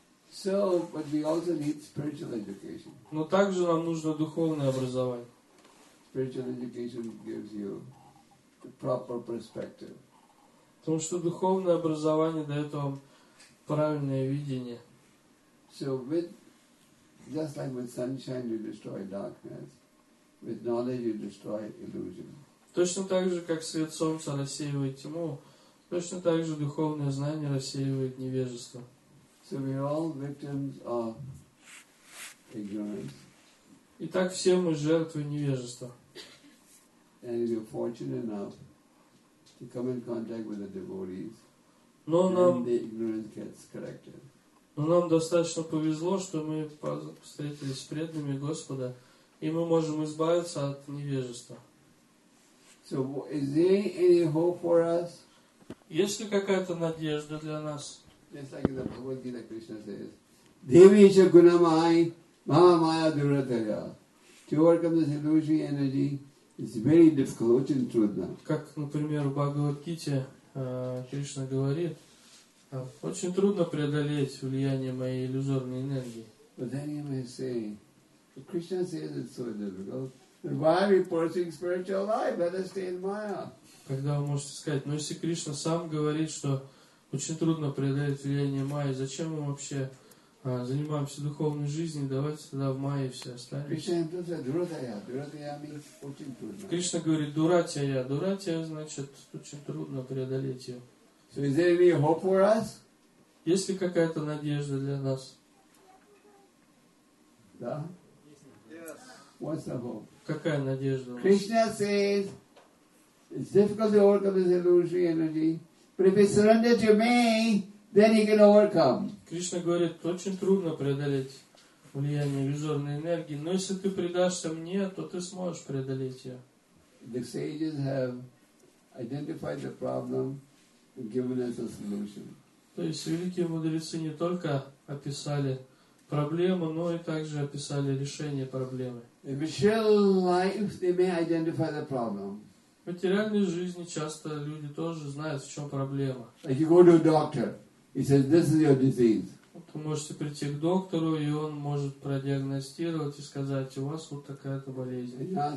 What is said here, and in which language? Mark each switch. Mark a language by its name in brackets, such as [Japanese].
[English] So, but we also need spiritual education. [Russian] Но также нам нужно духовное образование. [English] Spiritual education gives you the proper perspective. [Russian] Потому что духовное образование дает вам правильное видение. [English] So, with just like with sunshine you destroy darkness, with knowledge you destroy illusion. [Russian] Точно так же, как свет солнца рассеивает тьму, точно так же духовное знание рассеивает невежество. [English] So we are all victims of ignorance. [Russian] Итак, все мы жертвы невежества. [English] And if you're fortunate enough to come in contact with the devotees, [Russian] но [English] then [Russian] нам, [English] the ignorance gets corrected. [Russian] Но нам достаточно повезло, что мы встретились с преданными Господа, и мы можем избавиться от невежества. [English] So is there any hope for us? [Russian] Есть ли какая-то надежда для нас? [English] Just like in the Bhagavad Gita, Krishna says, [Sanskrit] Devisha Gunamai Maha Maya Duratarya. [English] To overcome this illusory energy is very difficult, which is true now. [Russian] Как, например, в Бхагавад Гите Кришна говорит, очень трудно преодолеть влияние моей иллюзорной энергии. [English] But then you may say, but Krishna says it's so difficult. Then why are we pursuing spiritual life? Let us stay in Maya. [Russian] Когда вы можете сказать, но если Кришна сам говорит, что очень трудно преодолеть влияние майи. Зачем мы вообще занимаемся духовной жизнью? Давайте тогда в майи все останемся. Кришна говорит, дуратия, дуратия, значит, очень трудно преодолеть ее. [English] So is there any hope for us? [Russian] Есть ли какая-то надежда для нас? Да? [English] Yes. What's the hope? [Russian] Какая надежда у нас? [English] Krishna says, it's difficult to work on this illusory energy. But if you surrender to me, then you can overcome. [Russian] Кришна говорит, очень трудно преодолеть влияние иллюзорной энергии, но если ты предашься мне, то ты сможешь преодолеть ее. [English] The sages have identified the problem and given us a solution. [Russian] То есть великие мудрецы не только описали проблему, но и также описали решение проблемы. В материальной жизни часто люди тоже знают, в чем проблема. Вы можете прийти к доктору, и он может продиагностировать и сказать, у вас вот такая-то болезнь.